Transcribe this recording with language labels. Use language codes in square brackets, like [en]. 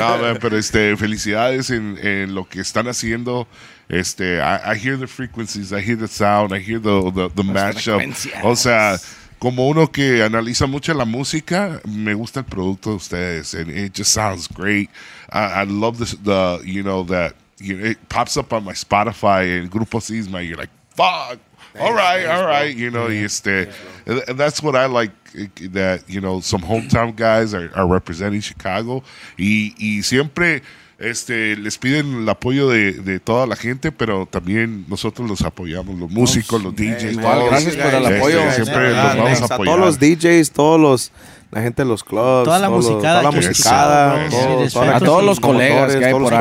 [en] No, man, [es] pero felicidades en lo que están haciendo. [en] I hear the frequencies, I hear the sound, I hear the mashup. [es] O sea, como uno que analiza mucho la música, me gusta el producto de ustedes, [en] and it just sounds great. I love it pops up on my Spotify and Grupo Cizma. You're like, fuck. All right. Bro. You know, yeah. And that's what I like, that, you know, some hometown guys are representing Chicago. [es] Y siempre les piden el apoyo de toda la gente, pero también nosotros los apoyamos, los músicos, los DJs. Man, todos. Gracias por el apoyo. Siempre los vamos a apoyar. A todos los DJs, todos los... La gente de los clubs, toda la musicada, a todos los colegas que hay por ahí.